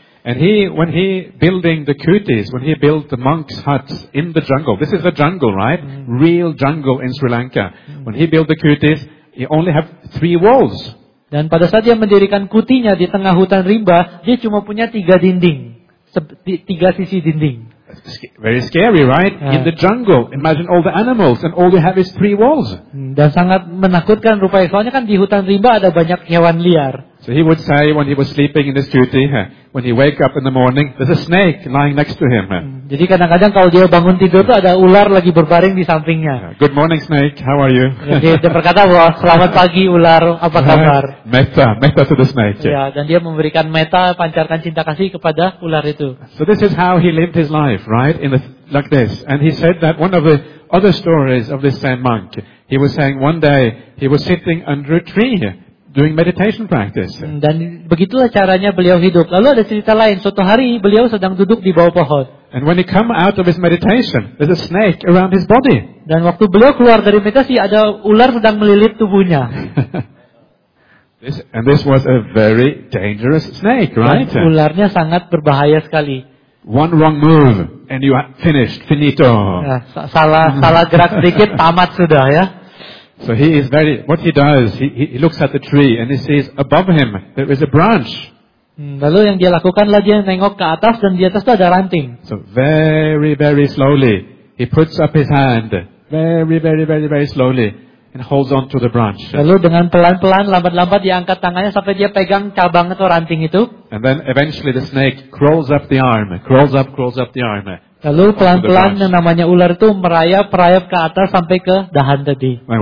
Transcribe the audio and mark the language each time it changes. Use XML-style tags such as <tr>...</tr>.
<en>And he, when he building the kutis, when he built the monks' huts in the jungle, this is a jungle, right? Real jungle in Sri Lanka. When he built the kutis, he only have 3 walls.</en> <id>Dan pada saat dia mendirikan kutinya di tengah hutan rimba, dia cuma punya 3 dinding, 3 sisi dinding.</id> <en>Very scary, right? In the jungle, imagine all the animals, and all you have is 3 walls.</en> <id>Dan sangat menakutkan rupanya, soalnya kan di hutan rimba ada banyak hewan liar.</id> <en>So he would say when he was sleeping in his kuti, when he wake up in the morning, there's a snake lying next to him.</en> <id>Jadi kadang-kadang kalau dia bangun tidur tuh ada ular lagi berbaring di sampingnya.</id> <en>Good morning, snake. How are you?</en> <id>Dia berkata bahwa selamat pagi ular, apa kabar?</id> <en>Metta to the snake.</en> <id>Ya, dan dia memberikan metta, pancarkan cinta kasih kepada ular itu.</id> <en>So this is how he lived his life, right? In the like this, and he said that one of the other stories of this same monk, he was saying one day he was sitting under a tree doing meditation practice.</en> <id>Dan begitulah caranya beliau hidup. Lalu ada cerita lain. Suatu hari beliau sedang duduk di bawah pohon.</id> <en>And when he come out of his meditation, there's a snake around his body.</en> <id>Dan waktu beliau keluar dari meditasi, ada ular sedang melilit tubuhnya.</id> <en>This was a very dangerous snake, right?</en> <id>Dan ularnya sangat berbahaya sekali.</id> <en>One wrong move and you are finished, finito.</en> <id>Salah gerak sedikit, tamat sudah ya.</id> <en>So he is very. What he does, he looks at the tree and he sees above him there is a branch.</en> <id>Lalu yang dia lakukan lagi yang nengok ke atas dan di atas itu ada ranting.</id> <en>So very very slowly he puts up his hand very very very very slowly and holds on to the branch.</en> <id>Lalu dengan pelan-pelan lambat-lambat dia angkat tangannya sampai dia pegang cabang atau ranting itu.</id> <en>And then eventually the snake crawls up the arm, crawls up the arm,</en> <id>Lalu pelan-pelan yang namanya ular itu merayap-rayap ke atas sampai ke dahan tadi.</id>